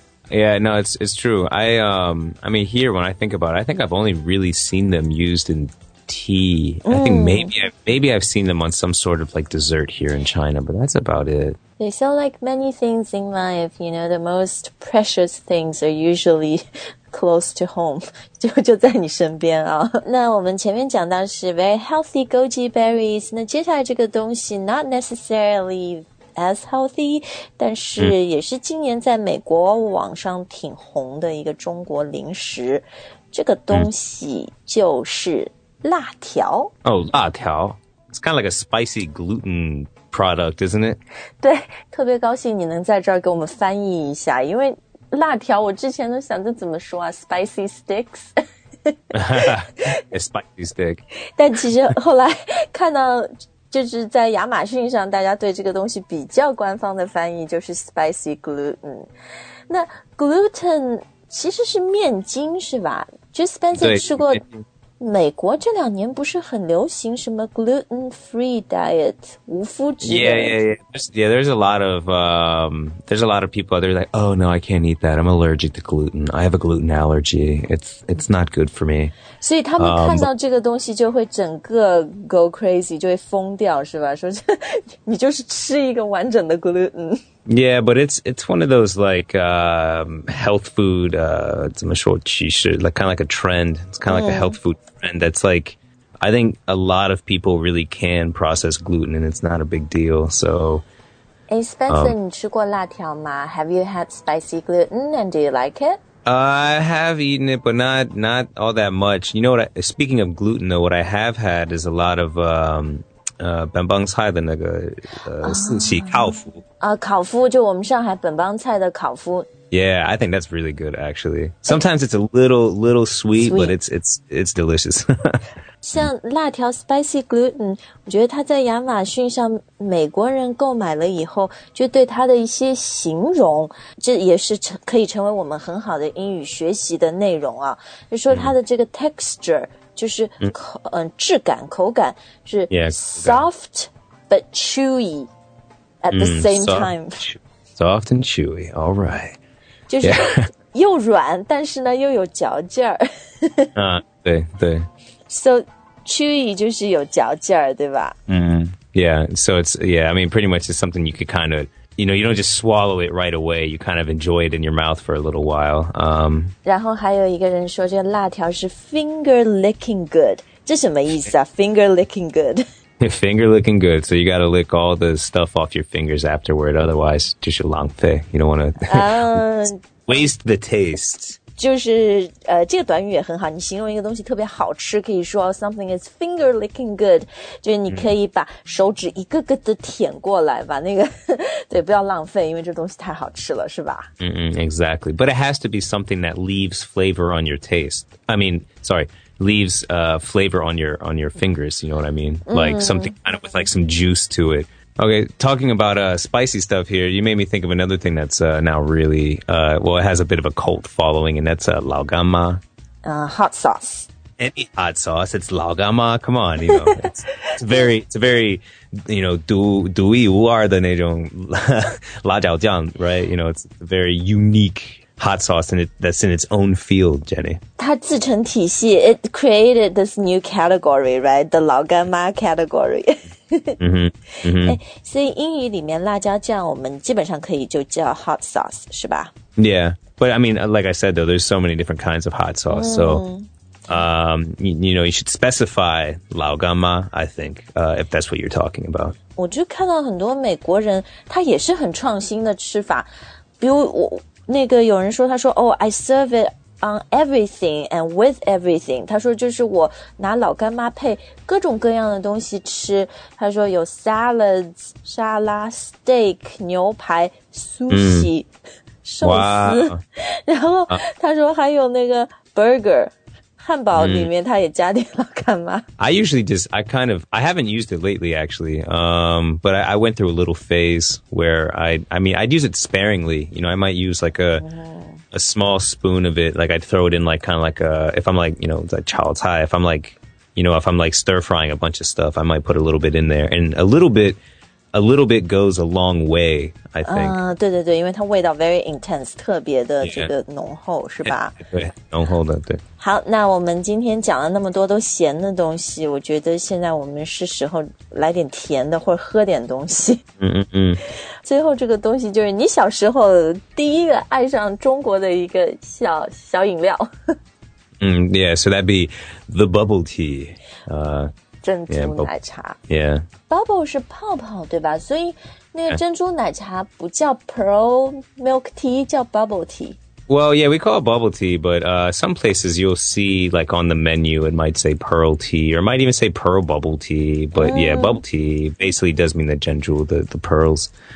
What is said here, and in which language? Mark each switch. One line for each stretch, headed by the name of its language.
English: Yeah, no, it's true. I mean, here, when I think about it, I think I've only really seen them used in tea. I think maybe I've seen them on some sort of like dessert here in China, but that's about it. Yeah, so like many things in life, you know, the most precious things are usually close to home.
Chinese: 就在你身边啊。那我们前面讲到是
English: very healthy goji berries.
Chinese: 那接下来这个东西
English: not necessarily... as healthy,
Chinese: 但是也是今年在美国网上挺红的一个中国零食。这个东西就是辣条。 Oh, 辣条。
English: It's kind of like a spicy gluten product, isn't it?
Chinese: 对，特别高兴你能在这儿给我们翻译一下，因为辣条我之前都想着怎么说啊 ,spicy sticks。
English: A spicy stick.
Chinese: 但其实后来看到就是在亚马逊上大家对这个东西比较官方的翻译就是 spicy gluten 那 gluten 其实是面筋是吧就 Spencer 吃过美国这两年不是很流行什么 gluten free diet 无麸质
English: there's a lot of there's a lot of people they're like oh no I can't eat that I'm allergic to gluten I have a gluten allergy it's not good for me
Chinese: 所以他们看到这个东西就会整个
English: go crazy,
Chinese: 就会疯掉是吧说你就是吃一个完整的 gluten。
English: Yeah, but it's one of those like, health food,
Chinese: 怎么说趋势
English: like kind of like a trend. It's kind of like a health food trend that's like, I think a lot of people really can process gluten and it's not a big deal, so.
Chinese: Hey, Spencer, 你吃过辣条吗?
English: Have you had spicy gluten and do you like it? I have eaten it, but not all that much. You know what? Speaking of gluten, though, what I have had is a lot of
Chinese: benbang cai 的那个四喜烤麸啊，烤麸就我们上海本帮菜的烤麸。
English: Yeah, I think that's really good, actually. Sometimes it's a little sweet, but it's delicious.
Chinese: 像辣条 spicy gluten, 我觉得它在亚马逊上美国人购买了以后，就对它的一些形容，这也是可以成为我们很好的英语学习的内容啊。就说它的这个 texture, 就是质感、口感是
English: soft but chewy at the same time. Soft and chewy, all right.
Chinese: 就是又软、yeah. 但是呢又有嚼劲儿。对对。 So, chewy 就是有嚼劲儿对吧
English: Yeah, so it's, yeah, I mean, pretty much it's something you could kind of, you know, you don't just swallow it right away, you kind of enjoy it in your mouth for a little while.
Chinese: 然后还有一个人说这辣条是
English: finger licking good,
Chinese: 这什么意思啊 ?finger licking good.
English: Finger licking good, so you gotta lick all the stuff off your fingers afterward, otherwise,
Chinese: 就是浪费
English: you don't wanna waste the taste.
Chinese: 就是这个短语也很好，你形容一个东西特别好吃，可以说
English: something is finger licking good,
Chinese: 就是你可以把手指一个个的舔过来，把那个，对，不要浪费，因为这东西太好吃了，是吧？
English: Exactly, but it has to be something that leaves flavor on your taste, I mean, sorry,leaves flavor on your fingers, you know what I mean? Like something kind of with like some juice to it. Okay, talking about spicy stuff here, you made me think of another thing that's now really, well, it has a bit of a cult following, and that's lao gan ma. Hot sauce. Any hot sauce, it's lao gan ma, come on, you know. It's very, you know,
Chinese: du yi wu er 的那种辣椒酱,
English: right? You know, it's very unique hot sauce in it that's in its own field, Jenny.
Chinese: 它自成体系
English: It created this new category, right? The 老干妈 category.
Chinese: 所以英语里面辣椒酱我们基本上可以就叫 hot sauce, 是吧
English: Yeah, but I mean, like I said, though, there's so many different kinds of hot sauce, so... you know, you should specify 老干妈, I think, if that's what you're talking about.
Chinese: 我就看到很多美国人他也是很创新的吃法比如我那个有人说他说
English: Oh, I serve it on everything and with everything.
Chinese: 他说就是我拿老干妈配各种各样的东西吃他说有 salads, 沙拉, steak, 牛排, sushi,、寿司 然后他说还有那个 burger,汉堡里面它也加点老干妈。
English: I usually just, I haven't used it lately, actually. But I went through a little phase where I'd use it sparingly. You know, I might use like a small spoon of it. Like I'd throw it in like kind of like a, if I'm like, you know, like
Chinese: chao tai,
English: if I'm like, you know, if I'm like stir frying a bunch of stuff, I might put a little bit in there. And a little bit goes a long way, I think.
Chinese: 对对对因为它味道
English: very intense,
Chinese: 特别的这个浓厚、yeah. 是吧对浓厚的对。好那我们今天讲了那么多都咸的东西我觉得现在我们是时候来点甜的或者喝点东西。最后这个东西就是你小时候第一个爱上中国的一个小小饮料。
English: yeah, so that'd be the bubble tea.
Chinese: 珍珠奶茶。
English: Yeah.
Chinese: Bubble 是泡泡对吧所以那个珍珠奶茶不叫 pearl milk tea, 叫 bubble tea.
English: Well, yeah, we call it bubble tea, but some places you'll see like on the menu, it might say pearl tea or might even say pearl bubble tea. But yeah, bubble tea basically does mean the 珍珠, the pearls.